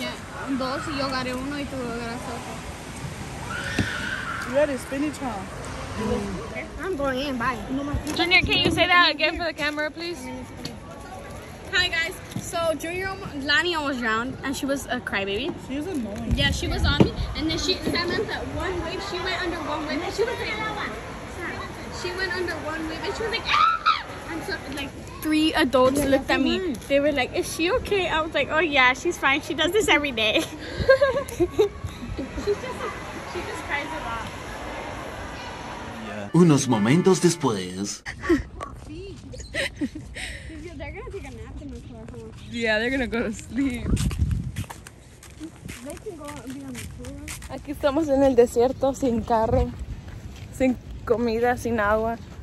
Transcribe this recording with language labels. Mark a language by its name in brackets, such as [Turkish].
[Spanish] Ya, dos y yo agarré uno y tú agarraste otro. [English] You had a spinach, huh? I'm going in, bye. Junior, can you say that again for the camera, please? Hi, guys. So, Junior, Lani almost drowned and she was a crybaby. She was annoying. Yeah, she was on me. And then she went under one wave and she was like, ah! Three adults looked at me. They were like, is she okay? I was like, oh yeah, she's fine. She does this every day. She just cries a lot. [Spanish] Unos momentos después. [English] They're gonna take a nap in the car. Yeah, they're gonna go to sleep. [Spanish] Aquí estamos en el desierto sin carro, sin comida, sin agua.